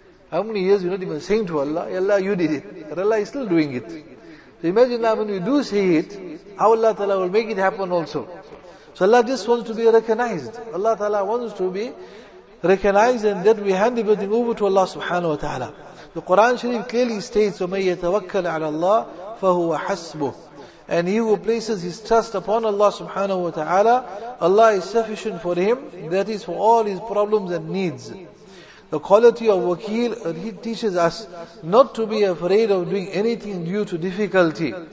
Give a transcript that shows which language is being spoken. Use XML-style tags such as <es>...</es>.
<en>How many years you're not even saying to Allah, Ya Allah, you did it. But Allah is still doing it. So imagine now when we do say it, how Allah Ta'ala will make it happen also. So Allah just wants to be recognized. Allah Ta'ala wants to be recognized and that we hand everything over to Allah subhanahu wa ta'ala. The Quran Sharif clearly states,</en> <ar>وَمَنْ يَتَوَكَّلْ عَلَى اللَّهِ فَهُوَ حَسْبُهُ.</ar> <en>And he who places his trust upon Allah subhanahu wa ta'ala, Allah is sufficient for him, that is for all his problems and needs. The quality of wakil, he teaches us not to be afraid of doing anything due to difficulty.</en>